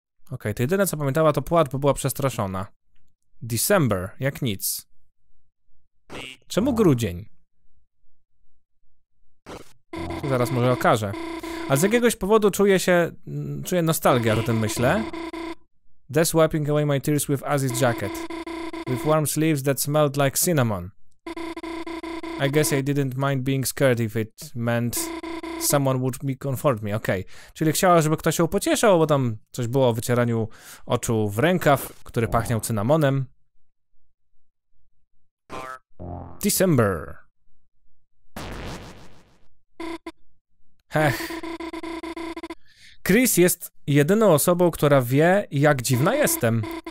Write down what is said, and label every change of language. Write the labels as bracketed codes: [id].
[pl] Okej, to jedyne, co pamiętała, to płacz, bo była przestraszona. December, jak nic. Czemu grudzień? To zaraz może okaże. A z jakiegoś powodu czuję nostalgię, o tym myślę. [en] Death wiping away my tears with Azzy's jacket. With warm sleeves that smelled like cinnamon. I guess I didn't mind being scared if it meant someone would be comfort me. Okej. Okay. [pl] Czyli chciała, żeby ktoś się pocieszał, bo tam coś było o wycieraniu oczu w rękaw, który pachniał cynamonem. [en] December. [pl] Heh. Chris jest jedyną osobą, która wie, jak dziwna jestem.